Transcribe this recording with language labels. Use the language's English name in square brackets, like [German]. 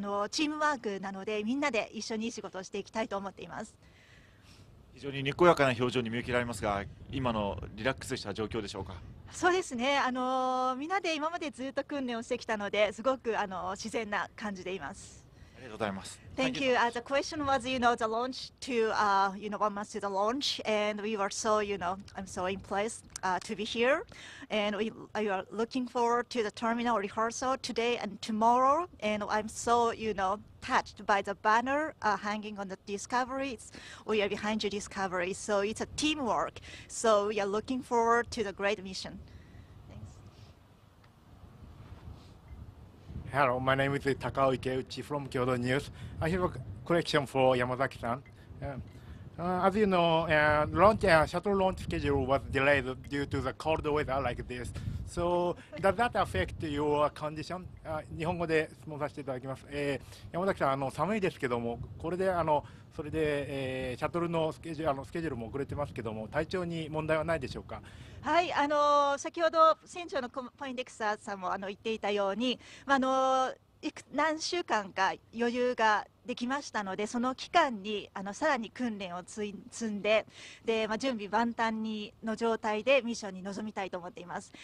[Japanese] チームワークなのでみんなで一緒にいい仕事をしていきたいと思っています。非常ににこやかな表情に見受けられますが、今のリラックスした状況でしょうか。そうですね、みんなで今までずっと訓練をしてきたので、すごく自然な感じでいます。ありがとうございます。 [English] Thank you. The question was, you know, the launch to, you know, 1 month to the launch, and we were so, you know, I'm so in place to be here, and we are looking forward to the terminal rehearsal today and tomorrow, and I'm so, you know, touched by the banner hanging on the Discovery. We are behind your Discovery, so it's a teamwork, so we are looking forward to the great mission. Hello, my name is Takao Ikeuchi from Kyodo News. I have a question for Yamazaki-san. As you know, shuttle launch schedule was delayed due to the cold weather like this. So does that affect your condition? [Japanese] 日本語で質問させていただきます。 Yamazaki-san, 寒いですけども、これでそれで、シャトルのスケジュールも遅れてますけども、体調に問題はないでしょうか。はい、先ほど船長のポインデクサーさんも言っていたように、何週間か余裕ができましたので、その期間にさらに訓練を積んで、で、まあ、準備万端にの状態でミッションに臨みたいと思っています。